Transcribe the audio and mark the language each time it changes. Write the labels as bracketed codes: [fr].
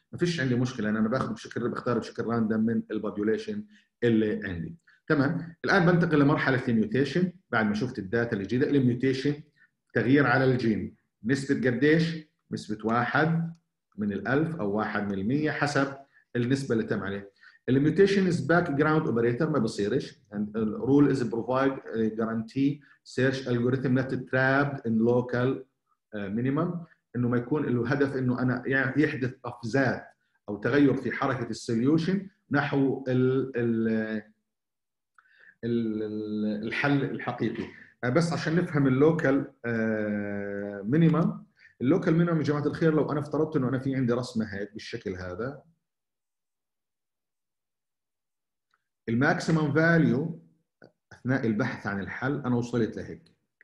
[ar] ما فيش عندي مشكله، انا باخذ بشكل بختار بشكل راندوم من البوبوليشن اللي عندي تمام. الان بنتقل لمرحله الميوتيشن بعد ما شفت الداتا الجديده. الميوتيشن تغيير على الجين، نسبة قديش؟ نسبة واحد من الألف أو واحد من المية حسب النسبة اللي تم عليه. [en] الـ mutation is background operator [ar] ما بصيرش. [en] And the rule is provide a guarantee search algorithm not trapped in local minimum. [ar] إنه ما يكون له هدف إنه أنا يعني يحدث أفزات أو تغير في حركة الـ solution نحو الحل الحقيقي. بس عشان نفهم اللوكال مينيمم، اللوكال مينيمم يا جماعة الخير لو أنا افترضت أنه أنا في عندي رسمة هيك بالشكل هذا، الماكسيمم فاليو أثناء البحث عن الحل أنا وصلت لهيك.